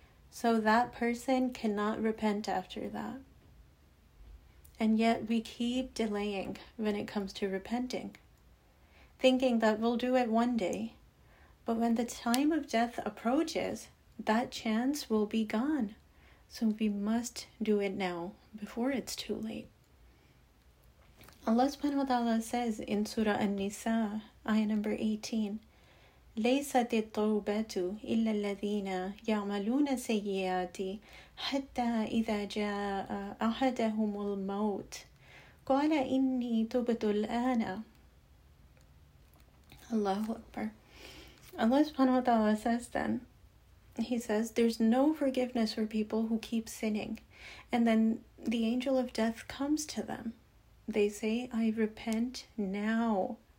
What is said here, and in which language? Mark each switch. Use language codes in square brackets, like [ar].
[en] So that person cannot repent after that. And yet we keep delaying when it comes to repenting, thinking that we'll do it one day. But when the time of death approaches, that chance will be gone. So we must do it now before it's too late. Allah subhanahu wa ta'ala says in Surah An-Nisa, ayah number 18, [ar] ليست التوبة إلا الذين يعملون السيئات حتى إذا جاء أحدهم الموت قال إني تبت الآن. Allahu Akbar. [en] Allah subhanahu wa ta'ala says then, he says, there's no forgiveness for people who keep sinning. And then the angel of death comes to them. They say, "I repent now."